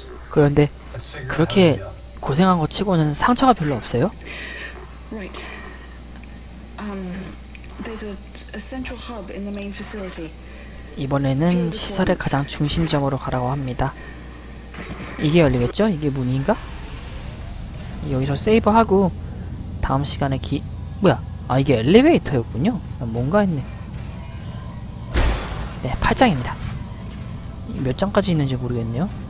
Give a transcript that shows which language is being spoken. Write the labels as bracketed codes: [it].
[ko] 그런데 그렇게 고생한 거 치고는 상처가 별로 없어요? [en] Right. There's a central hub in the main facility. [ko] 이번에는 시설의 가장 중심점으로 가라고 합니다. 이게 열리겠죠? 이게 문인가? 여기서 세이브하고 다음 시간에 뭐야? 아, 이게 엘리베이터였군요. 뭔가 했네. 네, 8장입니다. 몇 장까지 있는지 모르겠네요.